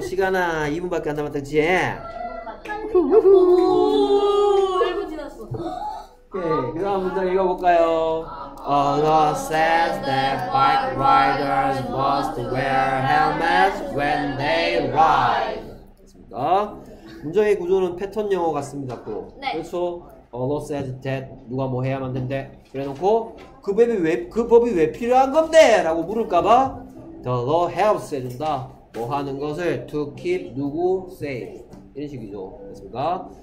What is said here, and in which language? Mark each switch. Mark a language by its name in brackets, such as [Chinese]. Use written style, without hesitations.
[Korean] 시간아, 2분밖에 안 남았다지. 1분 지났어. 오케이, 그 다음부터 읽어볼까요? [English] A law says that bike riders must wear helmets when they ride. [Korean] 됐습니다. 문장의 구조는 패턴 영어 같습니다, 또. 네. 그렇죠? [English] A law says that [Korean] 누가 뭐 해야만 된대. 그래놓고 그 법이 왜 그 법이 왜 필요한 건데? 라고 물을까봐 [English] The law helps [Korean] 해준다. 뭐 하는 것을 To keep 누구 safe 이런 식이죠. 됐습니까?